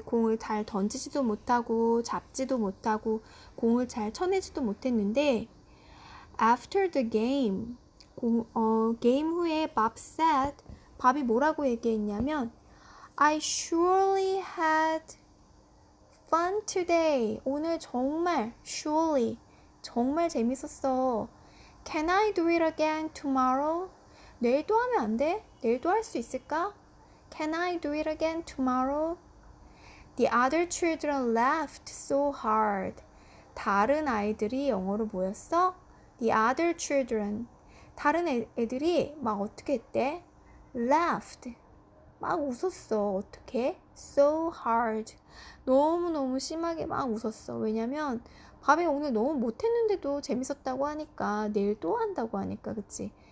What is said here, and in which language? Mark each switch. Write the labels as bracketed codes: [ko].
[ko] 공을 잘 던지지도 못하고, 잡지도 못하고, 공을 잘 쳐내지도 못했는데, [en] After the game, [ko] game 후에 [en] Bob said, [ko] 밥이 뭐라고 얘기했냐면, [en] I surely had fun today. [ko] 오늘 정말, surely, 정말 재밌었어. [en] Can I do it again tomorrow? [ko] 내일도 하면 안 돼? 내일도 할수 있을까? [en] Can I do it again tomorrow? The other children laughed so hard. [ko] 다른 아이들이 영어로 뭐였어? [en] The other children. [ko] 다른 애들이 막 어떻게 했대? Laughed. 막 웃었어. 어떻게? [en] So hard. [ko] 너무너무 심하게 막 웃었어. 왜냐면 밥이 오늘 너무 못했는데도 재밌었다고 하니까 내일 또 한다고 하니까 그치?